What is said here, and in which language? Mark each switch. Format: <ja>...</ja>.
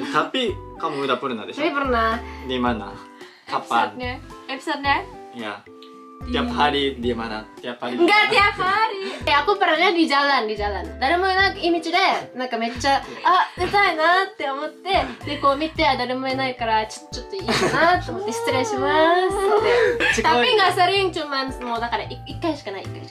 <id>Tapi kamu udah pernah deh. Tapi pernah. Di mana? Kapan? Episode-nya? Ya. Tiap hari di mana? Tiap hari. Enggak tiap hari. Ya, aku pernahnya di jalan. Dari mau naik image deh. Nah,</id> <ja>めっちゃ あ、出たいなって思って、で、こう見て あ、誰もいないからちょっといいかなと思って失礼します。</ja> <id>Tapi enggak sering, cuman mau</id> <ja>だから 1回しかない。</ja>